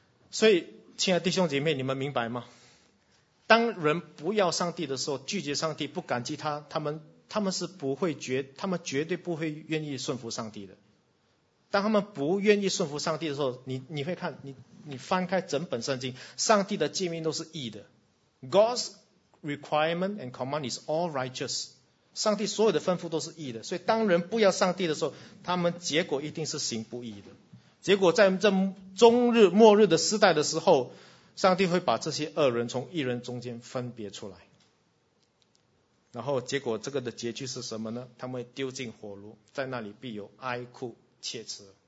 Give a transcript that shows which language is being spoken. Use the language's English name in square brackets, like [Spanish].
[Chinese] 所以，亲爱的弟兄姐妹，你们明白吗？当人不要上帝的时候，拒绝上帝、不感激他，他们是不会觉，他们绝对不会愿意顺服上帝的。当他们不愿意顺服上帝的时候，你会看，你翻开整本圣经，上帝的诫命都是义的。 [English] God's requirement and command is all righteous， [Chinese] 上帝所有的吩咐都是义的。所以当人不要上帝的时候，他们结果一定是行不义的。结果在这终日末日的时代的时候，上帝会把这些恶人从义人中间分别出来，然后结果这个的结局是什么呢？他们丢进火炉，在那里必有哀哭切齿。